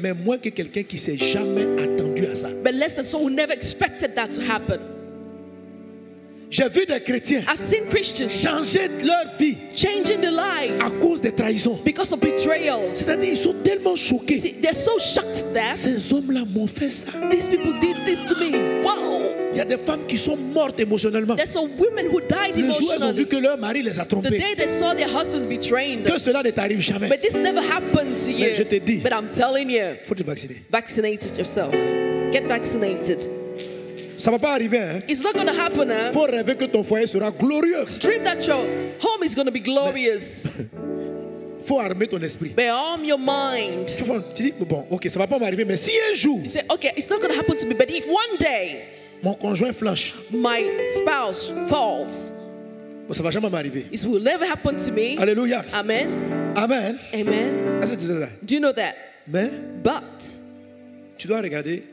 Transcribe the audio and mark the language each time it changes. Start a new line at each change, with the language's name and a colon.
French: Mais moins que quelqu'un qui s'est jamais attendu à ça.
English: But less than someone who never expected that to happen.
French: J'ai vu des chrétiens.
English: I've seen Christians
French: changer leur vie.
English: Changing their lives.
French: À cause des trahisons.
English: Because of betrayal.
French: C'est-à-dire ils sont tellement choqués.
English: See, they're so shocked that
French: ces hommes-là m'ont fait ça.
English: These people did this to me. Wow.
French: Il y a des femmes qui sont mortes émotionnellement.
English: There's some women who died emotionally.
French: Le jour elles ont vu que leur mari les a trompés.
English: The day they saw their husband betraying them.
French: Que cela ne t'arrive jamais.
English: But this never happened to you.
French: Mais je te dis.
English: But I'm telling you.
French: Faut te vacciner.
English: Vaccinate yourself. Get vaccinated.
French: Ça va pas arriver. Hein?
English: It's not going to happen. Hein?
French: Faut rêver que ton foyer sera glorieux.
English: Dream that your home is going to be glorious.
French: Faut armer ton esprit.
English: But arm your mind.
French: Tu dis bon, ok, ça va pas m'arriver, mais si un jour.
English: You say, okay, it's not going to happen to me, but if one day.
French: Mon conjoint flanche.
English: My spouse falls.
French: Bon, ça va jamais m'arriver.
English: It will never happen to me.
French: Alléluia.
English: Amen. Amen. Amen. Do you know that?
French: Mais,
English: but
French: tu dois regarder,